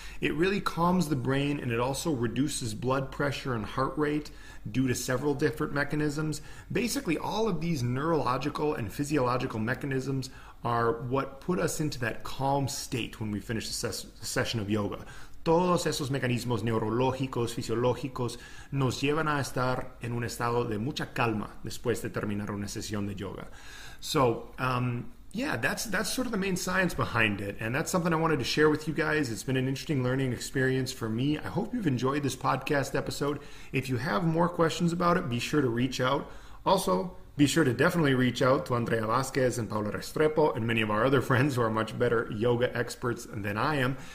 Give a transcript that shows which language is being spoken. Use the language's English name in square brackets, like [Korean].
[English] It really calms the brain and it also reduces blood pressure and heart rate due to several different mechanisms. Basically, all of these neurological and physiological mechanisms are what put us into that calm state when we finish the session of yoga. [Spanish] Todos esos mecanismos neurológicos, fisiológicos, nos llevan a estar en un estado de mucha calma después de terminar una sesión de yoga. [English] So, that's sort of the main science behind it. And that's something I wanted to share with you guys. It's been an interesting learning experience for me. I hope you've enjoyed this podcast episode. If you have more questions about it, be sure to reach out. Also, be sure to definitely reach out to Andrea Vasquez and Paula Restrepo and many of our other friends who are much better yoga experts than I am.